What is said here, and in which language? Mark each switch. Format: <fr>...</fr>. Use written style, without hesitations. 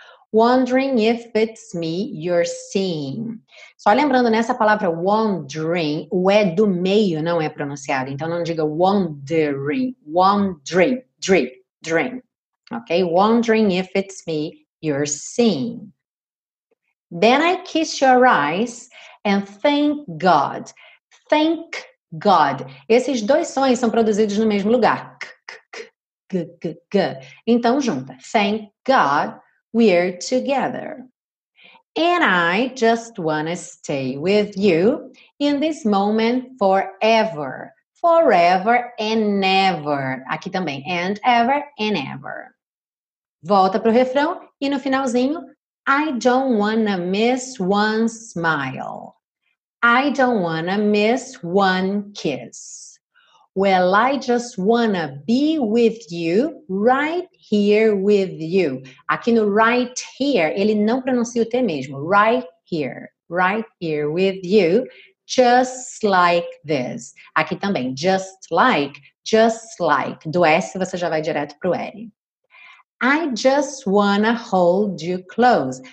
<en>Wondering if it's me you're seeing.</en> <pt>Só lembrando, nessa palavra wondering, o E do meio não é pronunciado. Então, não diga wondering.</pt> <en>Wondering. Dream. Dream. Ok? Wondering if it's me you're seeing. Then I kiss your eyes and thank God. Thank God.</en> <pt>Esses dois sons são produzidos no mesmo lugar. K, k, k, g, g, g. Então, junta.</pt> <en>Thank God. We're together. And I just wanna stay with you in this moment forever. Forever and ever.</en> <pt>Aqui também.</pt> <en>And ever and ever.</en> <pt>Volta pro refrão. E no finalzinho,</pt> <en>I don't wanna miss one smile. I don't wanna miss one kiss. Well, I just wanna be with you, right here with you.</en> <pt>Aqui no</pt> <en>right here,</en> <pt>ele não pronuncia o T mesmo.</pt> <en>Right here with you, just like this.</en> <pt>Aqui também,</pt> <en>just like.</en> <pt>Do S você já vai direto pro L.</pt> <en>I just wanna hold you close.</en>